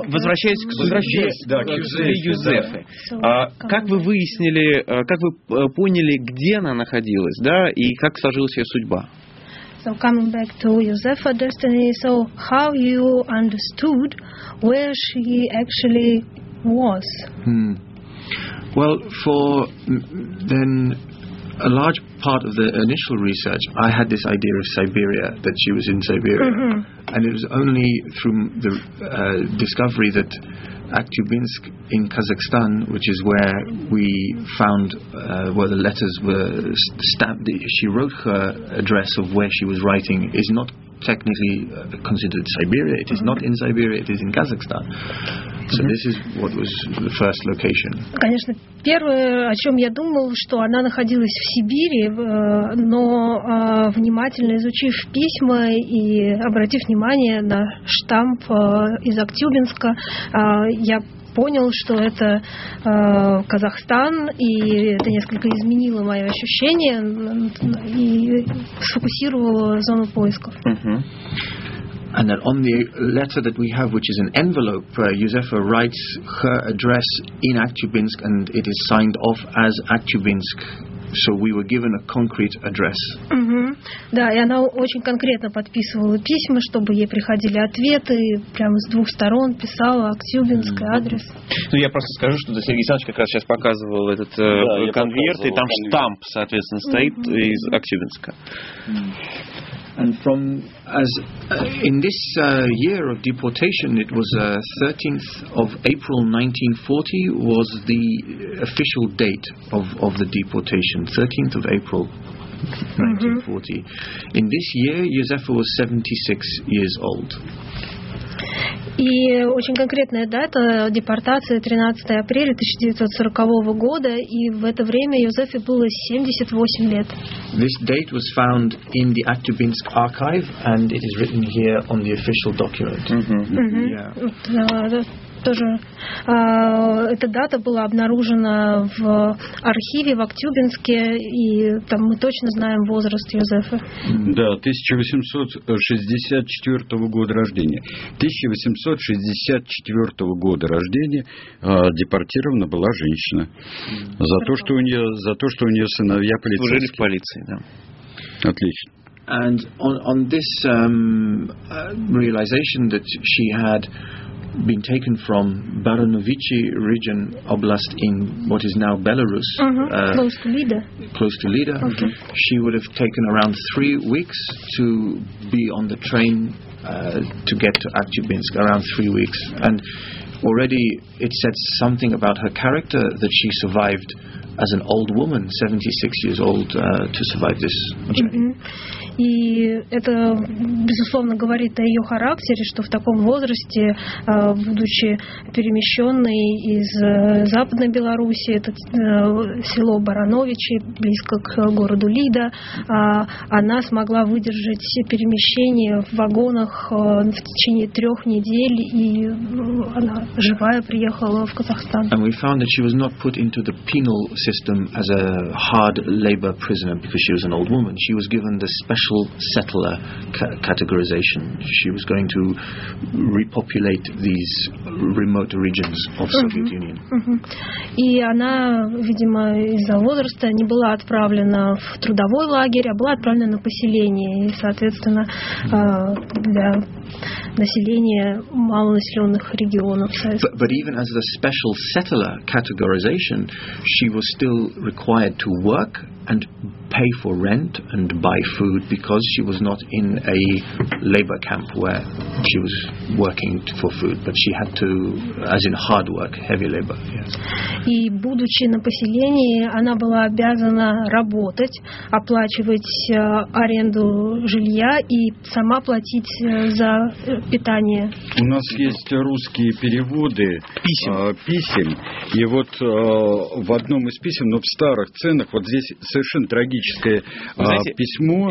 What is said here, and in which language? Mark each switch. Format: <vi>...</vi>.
<ru>Возвращаясь к судьбе Юзефы, как вы выяснили, как вы поняли, где она находилась, да, и как сложилась ее судьба?</ru> <en>So coming back to Josepha's destiny, so how you understood where she actually was? Well, for then a large part of the initial research, I had this idea of Siberia, that she was in Siberia. And it was only through the discovery that Aktyubinsk in Kazakhstan, which is where we found where the letters were stamped, she wrote her address of where she was writing, is not technically considered Siberia. It is not in Siberia, it is in Kazakhstan. So this is what was the first location.</en> <ru>Конечно, первое, о чем я думал, что она находилась в Сибири, но внимательно изучив письма и обратив внимание на штамп из Актюбинска, я понял, что это Казахстан, и это несколько изменило мое ощущение и сфокусировало зону поисков.</ru> <en>And that on the letter that we have, which is an envelope, Yuzefa writes her address in Aktyubinsk, and it is signed off as Aktyubinsk. So we were given a concrete address.</en> <ru>Да, и она очень конкретно подписывала письма, чтобы ей приходили ответы, прямо с двух сторон писала Актюбинский адрес. Ну, я просто скажу, что Сергей Александрович как раз сейчас показывал этот конверт, и там конверт. Штамп, соответственно, стоит из Актюбинска.</ru> <en>And from as in this year of deportation, it was 13th of April 1940 was the official date of the deportation. 13th of April 1940. In this year, Yuzefa was 76 years old.</en> <ru>И очень конкретная дата депортации 13 апреля 1940 года, и в это время Юзефе было 78 лет.</ru> <en>This date was found in the Aktyubinsk archive, and it is written here on the official document.</en> <ru>Тоже эта дата была обнаружена в архиве в Актюбинске, и там мы точно знаем возраст Юзефа. Да, 1864 года рождения. 1864 года рождения депортирована была женщина. За то, что у нее сыновья полицейские. Служили в полиции, да. Отлично.</ru> <en>And on this realization that she had been taken from Baranovichi region oblast in what is now Belarus, close to Lida. Okay. She would have taken around 3 weeks to be on the train to get to Aktyubinsk, around 3 weeks. And already it says something about her character that she survived as an old woman, 76 years old, to survive this journey.</en> <ru>И это, безусловно, говорит о ее характере, что в таком возрасте, будучи перемещенной из Западной Беларуси, это село Барановичи, близко к городу Лида, она смогла выдержать все перемещения в вагонах в течение 3 недель, и она живая приехала в Казахстан.</ru> <en>And we found that she was not put into the penal system as a hard labor prisoner because she was an old woman. She was given the special special settler categorization. She was going to repopulate these remote regions of Soviet Union.</en> <ru>И она, видимо, из-за возраста не была отправлена в трудовой лагерь, а была отправлена на поселение, и, соответственно, для населения малонаселенных регионов.</ru> <en>But even as a special settler categorization, she was still required to work and pay for rent and buy food because she was not in a labor camp where she was working for food, but she had to, as in hard work, heavy labor.</en> <ru>И будучи на поселении, она была обязана работать, оплачивать аренду жилья и сама платить за питание. У нас есть русские переводы писем. И вот в одном из писем, но в старых ценах, вот здесь совершенно трагическое письмо.</ru>